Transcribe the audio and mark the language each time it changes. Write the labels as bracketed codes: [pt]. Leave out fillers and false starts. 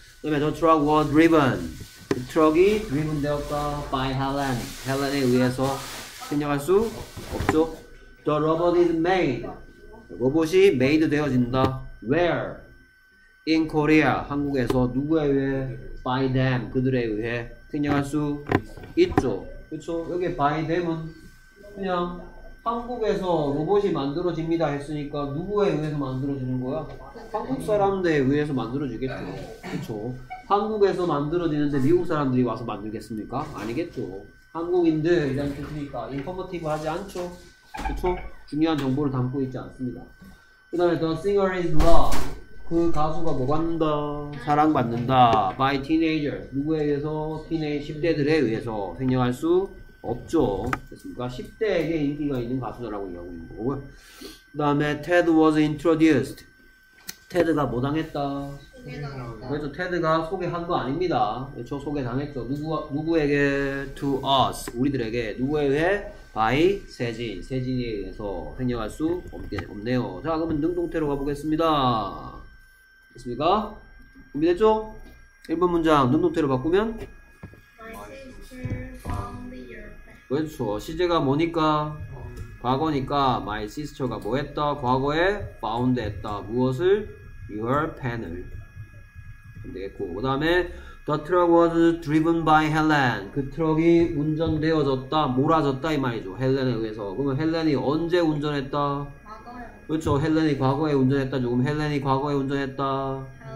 [ko] 그 다음에 [en] the truck was driven. The truck이 driven 되었다. By Helen. [ko] Helen에 의해서 생략할 수 없죠. [en] The robot is made. [ko] 로봇이 made 되어진다. [en] Where? In Korea. [ko] 한국에서. 누구에 의해? [en] By them. [ko] 그들에 의해. 생략할 수 있죠. 그쵸? 여기 by them은 그냥 한국에서 로봇이 만들어집니다 했으니까 누구에 의해서 만들어지는 거야? 한국 사람들에 의해서 만들어지겠죠. 그쵸? 한국에서 만들어지는데 미국 사람들이 와서 만들겠습니까? 아니겠죠. 한국인들 이런 뜻이니까 인포머티브 하지 않죠. 그쵸? 중요한 정보를 담고 있지 않습니다. 그 다음에 [en] The singer is loved. [ko] 그 가수가 뭐 받는다? 사랑받는다. [en] By teenager. [ko] 누구에 의해서? Teenage 10대들에 의해서 생략할 수 없죠. 됐습니까? 10대에게 인기가 있는 가수라고 이야기하고 있는 거고요. 그 다음에 [en] Ted was introduced. [ko] Ted가 뭐 당했다? 그래서 Ted가 소개한 거 아닙니다. 그렇죠? 소개당했죠. 누구에게? [en] To us. [ko] 우리들에게. 누구에 의해? [en] by 세진. [ko] 세진에 의해서 생략할 수 없네요. 자, 그러면 능동태로 가보겠습니다. 됐습니까? 준비됐죠? 1번 문장 능동태로 바꾸면? [en] My sister found the earth. [ko] 그렇죠. 시제가 뭐니까? 과거니까 my sister가 뭐 했다? 과거에 found 했다. 무엇을? [en] Your pen [ko] 을. 됐고. 그 다음에 [en] The truck was driven by Helen. [ko] 그 트럭이 운전되어졌다, 몰아졌다 이 말이죠. 헬렌에 의해서. 그러면 헬렌이 언제 운전했다? 그렇죠. 헬렌이 과거에 운전했다. 조금 헬렌이 과거에 운전했다.